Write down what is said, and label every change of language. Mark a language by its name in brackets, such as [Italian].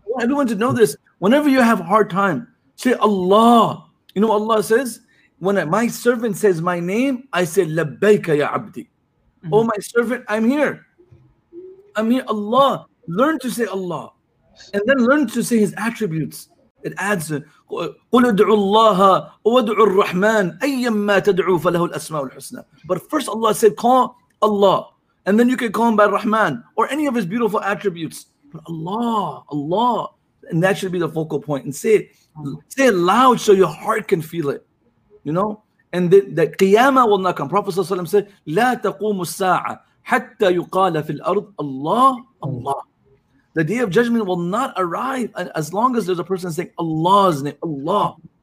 [English] I want everyone to know this. Whenever you have a hard time, say Allah. You know what Allah says? When my servant says my name, I say, Labbaika ya Abdi. Mm-hmm. Oh, my servant, I'm here. I mean, Allah, learn to say Allah. And then learn to say His attributes. It adds, [Arabic] قُلْ اَدْعُوا اللَّهَ وَادْعُوا الرَّحْمَنَ أَيَّمَّا تَدْعُوا فَلَهُ الْأَسْمَاءُ الْحُسْنَى. [English] But first Allah said, call Allah. And then you can call Him by Rahman or any of His beautiful attributes. But Allah, Allah. And that should be the focal point. And say it loud so your heart can feel it. You know? And the qiyamah will not come. Prophet ﷺ said, [Arabic] لَا تَقُومُ السَّاعَةَ حتى يقال في الأرض الله الله. [English] The day of judgment will not arrive as long as there's a person saying Allah's name, Allah.